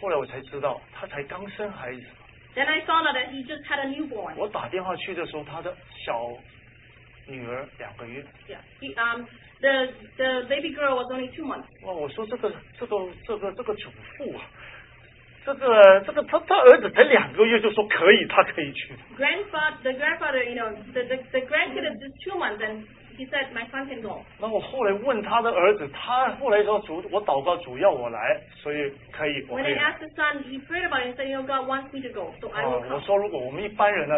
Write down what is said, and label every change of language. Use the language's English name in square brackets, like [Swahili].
[Chinese] 后来我才知道他才刚生孩子。 [English] Then I found out that he just had a newborn. [Chinese] 我打电话去的时候他的小女儿两个月。 [English] The baby girl was only 2 months. [Chinese] 哇，我说这个主妇啊。这个他儿子才两个月就说可以，他可以去。 [English] Grandfather, you know, the grandkid is just 2 months, and he said, my son can go. [Chinese] 那我后来问他的儿子，他后来说主要我来，所以可以。 [English] When I asked the son, he prayed about it and said, you know, God wants me to go, so I will come.